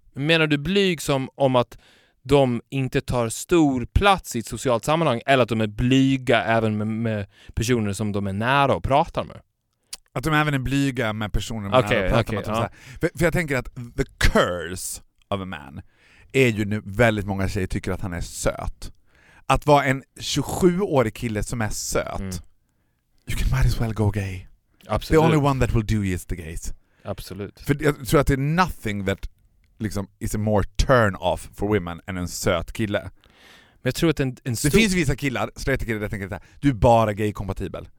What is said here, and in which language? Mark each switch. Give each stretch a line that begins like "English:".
Swedish: Menar du blyg som om att de inte tar stor plats i ett socialt sammanhang eller att de är blyga även med personer som de är nära och pratar med? Att de även är blyga med personer de är nära och pratar med. Ja. För jag tänker att
English: the curse of a man
Swedish: är ju nu väldigt många tjejer tycker att han är söt. Att vara en 27-årig kille som är söt. Mm.
English: You can might as well go gay.
Swedish: Absolut.
English: The only one that will do you is the gays.
Swedish: Absolut. För jag tror att det är
English: nothing that
Swedish: liksom
English: is a more turn off for women
Swedish: än en söt kille. Men jag tror att en det finns vissa killar, straight killar, jag tänker att du är bara gay-kompatibel.